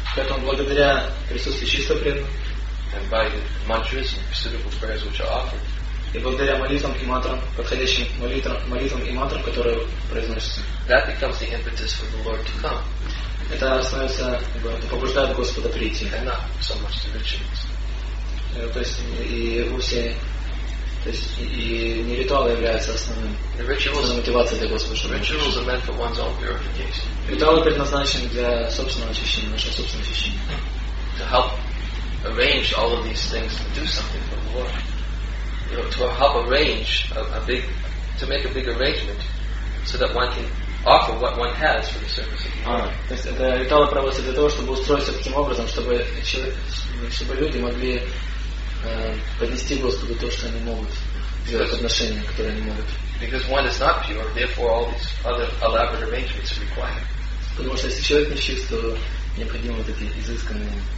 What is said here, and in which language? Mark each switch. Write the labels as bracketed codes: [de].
[ru] Поэтому благодаря присутствию чистого преданного. [en] And by the mantras and suitable prayers which are offered. [ru] И благодаря молитвам и мантрам, подходящим молитвам и мантрам, которые произносятся. [en] That becomes the impetus for the Lord to come. [ru] Это становится, это побуждает Господа прийти. [en] And not so much the rituals. [ru] То есть и вовсе, то есть и не ритуалы являются основным. [en] The rituals are [ru] мотивация для Господа. [en] The rituals are meant for one's own purification. [ru] Ритуалы предназначены для собственного очищения, нашего собственного очищения. [en] To help arrange all of these things to do something for the Lord. You know, to help arrange to make a big arrangement so that one can offer what one has for the service of the Lord. [ru] То есть это ритуалы проводятся для того, чтобы устроиться таким образом, чтобы люди могли поднести Господу то, что они могут, сделать отношения, которые они могут. [en] Because one is not pure, therefore all these other elaborate arrangements are required. [ru] Потому что если человек не чист, то необходимо вот эти изысканные.